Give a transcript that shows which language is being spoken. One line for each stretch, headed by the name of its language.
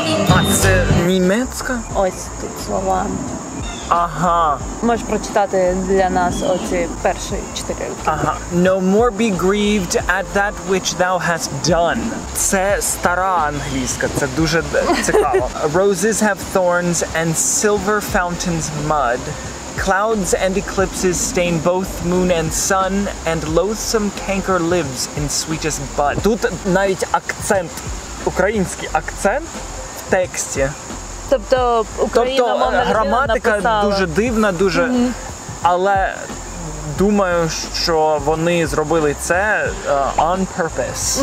Ukrainian: А це німецька? Ось тут слова. Ага. Можеш прочитати для нас оці перші чотири рівки. Ага.
English: No more be grieved at that which thou hast done.
Ukrainian: Це стара англійська, це дуже цікаво.
English: Roses have thorns and silver fountains mud. Clouds and eclipses stain both moon and sun, and loathsome canker lives in sweetest bud.
Ukrainian: Тут навіть акцент, український акцент в тексті. Тобто Україна, тобто, мовна людина граматика написала. Дуже дивна, дуже. Mm-hmm. Але думаю, що вони зробили це
English: on purpose.